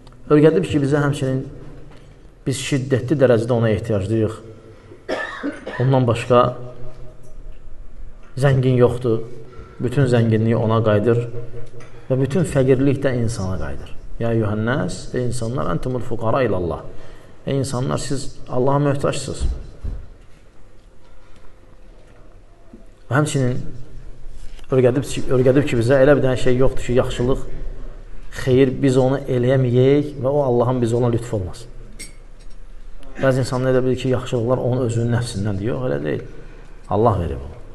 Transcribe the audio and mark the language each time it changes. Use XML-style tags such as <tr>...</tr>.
<az>Öyrədib ki, bizə həmçinin biz şiddətli dərəcədə ona ehtiyaclıyıq. Ondan başqa zəngin yoxdur. Bütün zənginliyi ona qayıdır. Və bütün fəqirlik də insana qayıdır.</az> <ar>Yə yuhannəs,</ar> <az>ey insanlar,</az> <ar>əntumul fuqara ilallah.</ar> <az>Ey insanlar, siz Allaha möhtaçsınız. Həmçinin Örgədib ki, bizə elə bir dənə şey yoxdur ki, yaxşılıq, xeyir, biz onu eləyəməyik və o Allahın bizə olan lütfu olmasın. Bəzi insanlar elə bilir ki, yaxşılıqlar onun özünün nəfsindən deyir. Yox, elə deyil. Allah verib onu.</az>